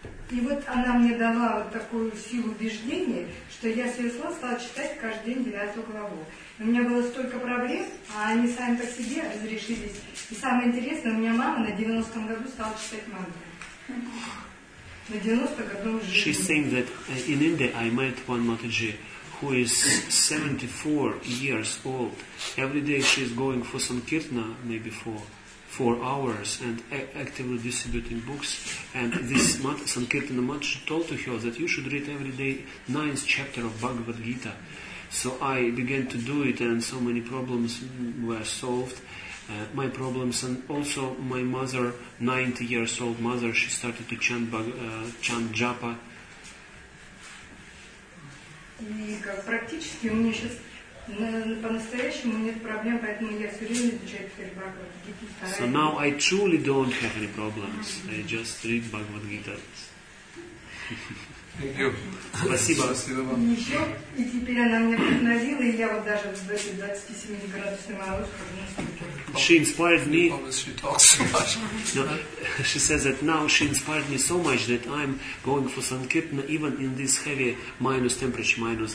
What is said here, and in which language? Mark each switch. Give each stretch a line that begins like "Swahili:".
Russian: И вот она мне дала вот такую силу убеждения, что я с ее слов стала читать каждый день 9 главу. У меня было столько проблем, а они сами по себе разрешились. И самое интересное, у меня мама на 90-м году стала читать мантру. На 90-м году уже.
English: She saying that in India I met one Mataji, who is 74 years old. Every day she is going for Sankirtana, maybe for 4 hours and actively distributing books, and this Sankirtana Mataji told to her that you should read every day 9th chapter of Bhagavad Gita. So I began to do it, and so many problems were solved. My problems, and also my mother, 90 years old mother, she started to chant chant japa. And practically,
Russian: по-настоящему нет проблем, поэтому я все время изучаю Бхагавад Гиту.
English: So now I truly don't have any problems. I just read Bhagavad Gita.
Russian: Спасибо. Спасибо вам. Еще, и теперь она мне вдохновила, и я вот даже в 27 градусах морозка.
English: She inspired me. She talks so much. No, she says that now she inspired me so much that I'm going for Sankirtana even in this heavy minus temperature, minus